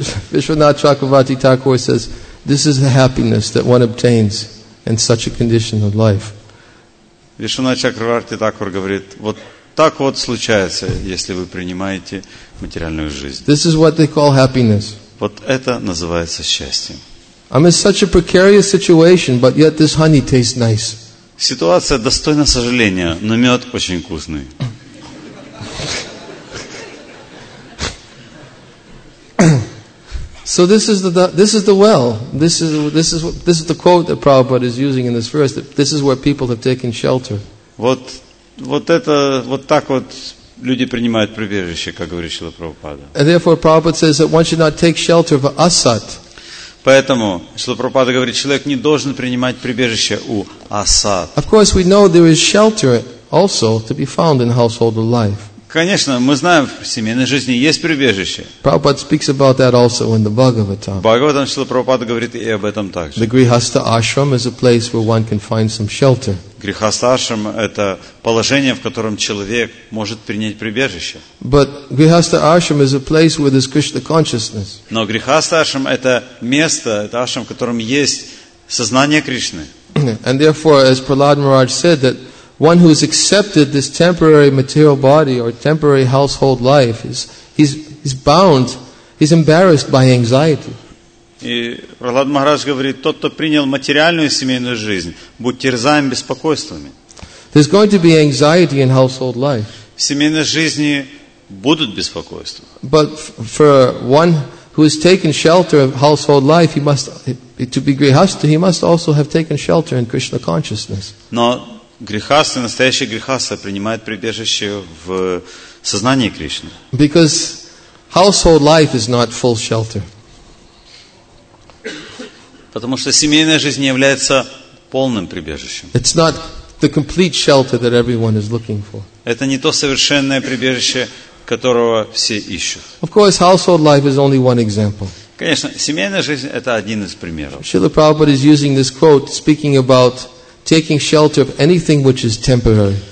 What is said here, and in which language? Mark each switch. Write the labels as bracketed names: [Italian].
[English] Vishwanath Chakravarti Thakur says, "This is the happiness that one obtains in such a condition of life." [Russian] Vishwanath Chakravarti Thakur говорит, вот так вот случается, если вы принимаете материальную жизнь. [English] This is what they call happiness. [Russian] Вот это называется счастьем. [English] I'm in such a precarious situation, but yet this honey tastes nice. [Russian] Ситуация достойна сожаления, но мед очень вкусный. [English] So this is the well. This is the quote that Prabhupada is using in this verse. That this is where people have taken shelter. [Russian] Вот так вот. Люди принимают прибежище, как говорит Шрила Прабхупада. [English] And therefore Prabhupada says that one should not take shelter of asat. [Russian] Поэтому Шрила Прабхупада говорит, человек не должен принимать прибежище у асат. [English] Of course we know there is shelter also to be found in household life. [Russian] Конечно, мы знаем, в семейной жизни есть прибежище. [English] Prabhupada speaks about that also in the Bhagavatam. [Russian] В Бхагаватам Шрила Прабхупада говорит и об этом также. [English] The Grihastha Ashram is a place where one can find some shelter. [Russian] Грихастха ашрам – это положение, в котором человек может принять прибежище. [English] But Grihastha Ashram is a place where there's Krishna consciousness. [Russian] Но Грихастха ашрам – это место, это ашрам, в котором есть сознание Кришны. [English] And therefore, as Prahlad Maharaj said, that one who has accepted this temporary material body or temporary household life is bound, he's embarrassed by anxiety. [Russian] И Прахлад Махарадж говорит, тот, кто принял материальную семейную жизнь, будь терзаем беспокойствами. [English] There's going to be anxiety in household life. [Russian] В семейной жизни будут беспокойства. [English] But for one who has taken shelter of household life, he must, to be grihastha, he must also have taken shelter in Krishna consciousness. [Russian] Но грехасы, настоящие грехасы принимают прибежище в сознании Кришны. [English] Because household life is not full shelter. [Russian] Потому что семейная жизнь не является полным прибежищем. [English] It's not the complete shelter that everyone is looking for. [Russian] Это не то совершенное прибежище, которого все ищут. [English] Of course, household life is only one example. [Russian] Конечно, семейная жизнь — это один из примеров. [English] Шрила Прабхупада is using this quote speaking about taking shelter of anything which is temporary.